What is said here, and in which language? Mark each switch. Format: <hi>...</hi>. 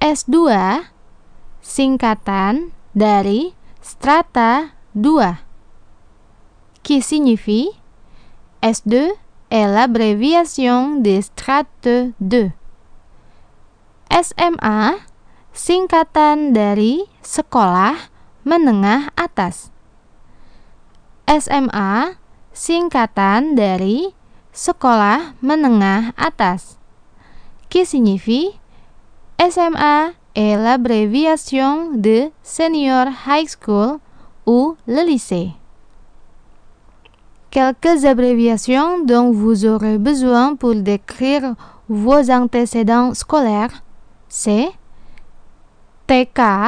<id>S2, singkatan dari strata 2.</id> <fr>Qui signifie S2 est l'abréviation de strata 2.</fr> <id>SMA, singkatan dari sekolah menengah atas. SMA, singkatan dari sekolah menengah atas.</id> <fr>Qui signifie SMA est l'abréviation de senior high school ou le lycée. Quelques abréviations dont vous aurez besoin pour décrire vos antécédents scolaires, c'est TK.</fr>